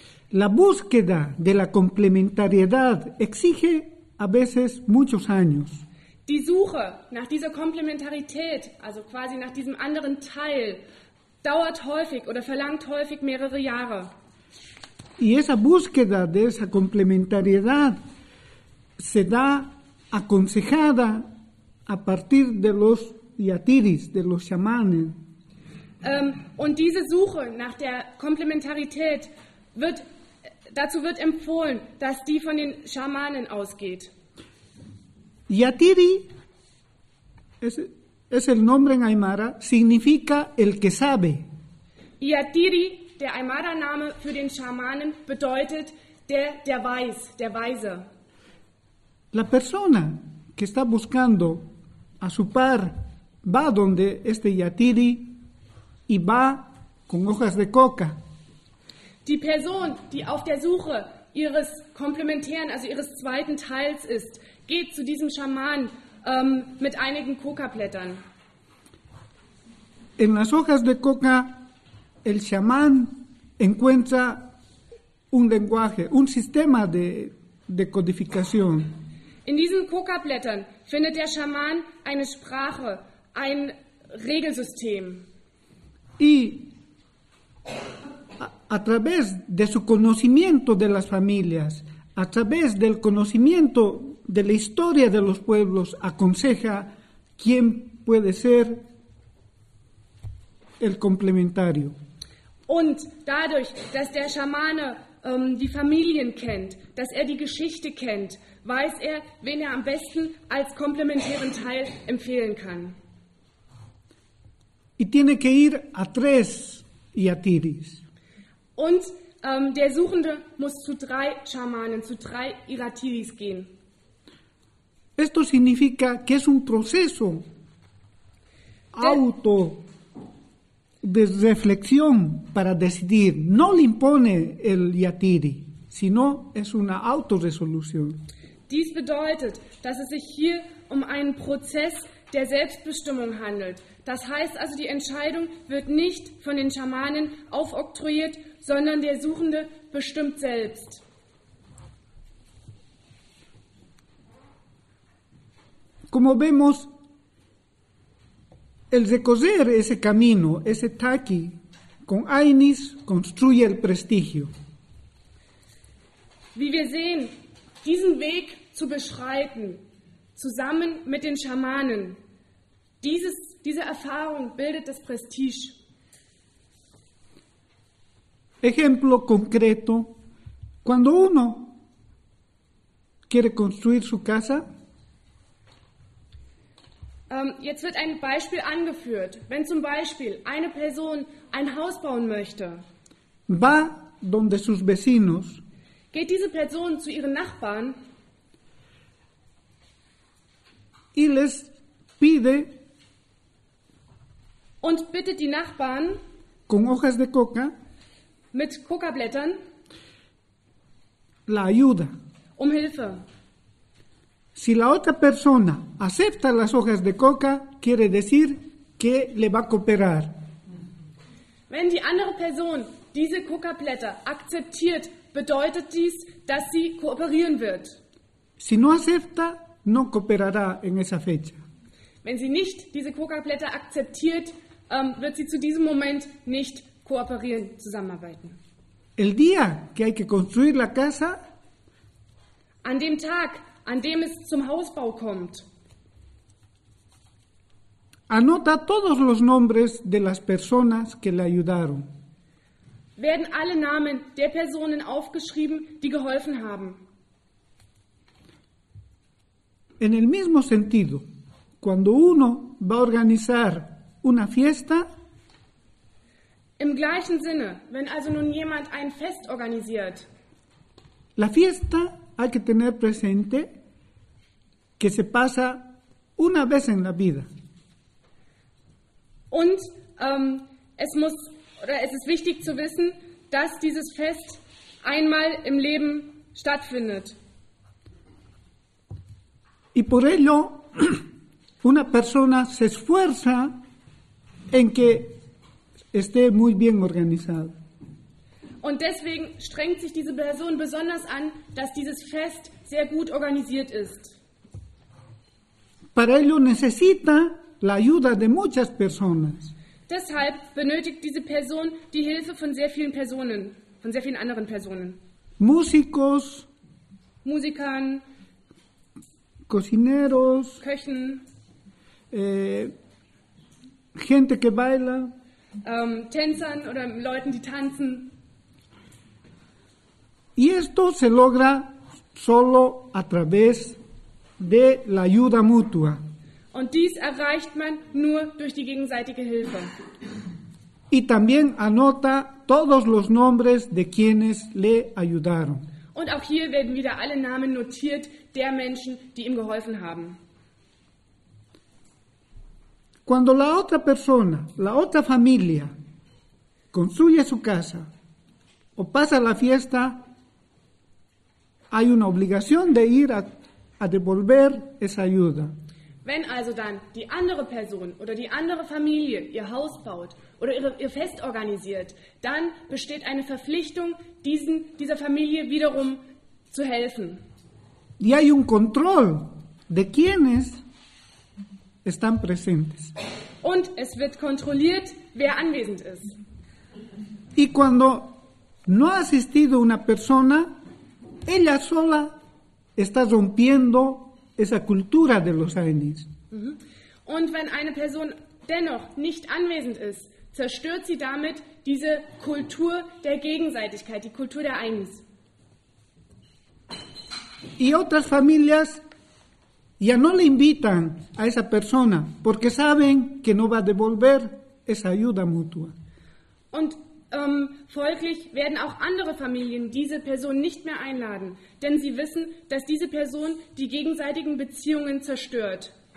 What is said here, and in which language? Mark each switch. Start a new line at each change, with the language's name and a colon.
Spanish: La búsqueda de la complementariedad exige a veces muchos años.
German: Die Suche nach dieser Komplementarität, also quasi nach diesem anderen Teil, dauert häufig oder verlangt häufig mehrere Jahre.
Spanish: Y esa búsqueda de esa complementariedad se da aconsejada a partir de los yatiris, de los chamanes.
German: Und diese Suche nach der Komplementarität wird empfohlen, dass die von den Schamanen ausgeht.
Spanish: Yatiri es el nombre en Aymara, significa el que sabe.
German: Yatiri, der Aymara-Name für den Schamanen, bedeutet der weiß, der Weise.
Spanish: La persona que está buscando a su par va donde este Yatiri y va con hojas de coca.
German: Die Person, die auf der Suche ihres Komplementären, also ihres zweiten Teils ist, geht zu diesem Schaman mit einigen Coca-Blättern.
Spanish: En las hojas de coca, el chamán encuentra un lenguaje, un sistema de codificación.
German: In diesen Coca-Blättern findet der Schaman eine Sprache, ein Regelsystem.
Spanish: Y a través de su conocimiento de las familias, a través del conocimiento de la historia de los pueblos, aconseja quién puede ser el complementario.
German: Und dadurch, dass der Schamane die Familien kennt, dass die Geschichte kennt, weiß wen am besten als komplementären Teil empfehlen kann.
Spanish: Y tiene que ir a tres yatiris.
German: Und der Suchende muss zu drei Schamanen, zu drei Iratiris gehen.
Spanish: Esto significa que es un proceso auto de reflexión para decidir. No le impone el Yatiri, sino es una autorresolución.
German: Dies bedeutet, dass es sich hier einen Prozess der Selbstbestimmung handelt. Das heißt also, die Entscheidung wird nicht von den Schamanen aufoktroyiert, sondern der Suchende bestimmt selbst.
Spanish: Como vemos, el recorrer ese camino, ese taqui, con Ainis, construye el prestigio.
German: Wie wir sehen, diesen Weg zu beschreiten, zusammen mit den Schamanen, diese Erfahrung bildet das Prestige.
Spanish: Ejemplo concreto, cuando uno quiere construir su casa.
German: Jetzt wird ein Beispiel angeführt. Wenn zum Beispiel eine Person ein Haus bauen möchte,
Spanish: va donde sus vecinos.
German: Geht diese Person zu ihren Nachbarn.
Spanish: Y les pide.
German: Und bittet die Nachbarn.
Spanish: Con hojas de coca.
German: Mit Coca-Blättern.
Spanish: La ayuda.
German: Um Hilfe.
Spanish: Si la otra persona acepta las hojas de coca, quiere decir que le va a cooperar.
German: Wenn die andere Person diese Coca-Blätter akzeptiert, bedeutet dies, dass sie kooperieren wird.
Spanish: Si no acepta, no cooperará en esa fecha.
German: Wenn sie nicht diese Coca-Blätter akzeptiert, wird sie zu diesem Moment nicht kooperieren, zusammenarbeiten.
Spanish: El día que hay que construir la casa,
German: an dem Tag, an dem es zum Hausbau kommt,
Spanish: anota todos los nombres de las personas que le ayudaron.
German: Werden alle Namen der Personen aufgeschrieben, die geholfen haben.
Spanish: En el mismo sentido, cuando uno va a organizar una fiesta,
German: im gleichen Sinne, wenn also nun jemand ein Fest organisiert,
Spanish: la fiesta hay que tener presente que se pasa una vez en la vida.
German: Und es muss oder es ist wichtig zu wissen, dass dieses Fest einmal im Leben stattfindet.
Spanish: Y por ello una persona se esfuerza en que esté muy bien organizado.
German: Und deswegen strengt sich diese Person besonders an, dass dieses Fest sehr gut organisiert ist.
Spanish: Para ello necesita la ayuda de muchas personas.
German: Deshalb benötigt diese Person die Hilfe von sehr vielen Personen, von sehr vielen anderen Personen.
Spanish: Músicos,
German: Musikern,
Spanish: Cocineros,
German: Köchen,
Spanish: gente que baila,
German: Tänzern oder Leuten, die tanzen.
Spanish: Y esto se logra solo a través de la ayuda mutua.
German: Und dies erreicht man nur durch die gegenseitige Hilfe.
Spanish: Y también anota todos los nombres de quienes le ayudaron.
German: Und auch hier werden wieder alle Namen notiert der Menschen, die ihm geholfen haben.
Spanish: Cuando la otra persona, la otra familia, construye su casa o pasa la fiesta, hay una obligación de ir a devolver esa ayuda.
German: Wenn also dann die andere Person oder die andere Familie ihr Haus baut oder ihr Fest organisiert, dann besteht eine Verpflichtung, dieser Familie wiederum zu helfen.
Spanish: Y hay un control de quienes están presentes.
German: Und es wird kontrolliert, wer anwesend ist.
Spanish: Y cuando no ha asistido una persona, ella sola está rompiendo esa cultura de los Ainis.
German: Und wenn eine Person dennoch nicht anwesend ist, zerstört sie damit diese Kultur der Gegenseitigkeit, die Kultur der Ainis.
Spanish: Y otras familias ya no le invitan a esa persona porque saben que no va a devolver esa ayuda mutua.
German: Und folglich werden auch andere Familien diese Person nicht mehr einladen, denn sie wissen, dass diese Person die gegenseitigen Beziehungen zerstört.